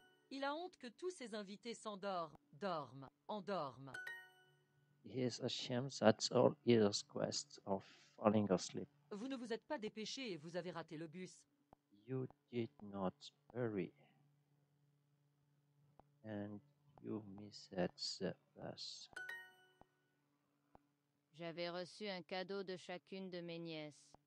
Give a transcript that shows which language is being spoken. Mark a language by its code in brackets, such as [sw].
[fr] Il a honte que tous ses invités endorment. [en] He is ashamed that all his guests are falling asleep. [fr] Vous ne vous êtes pas dépêché et vous avez raté le bus. [en] You did not hurry. And you missed the bus. [fr] J'avais reçu un cadeau de chacune de mes nièces.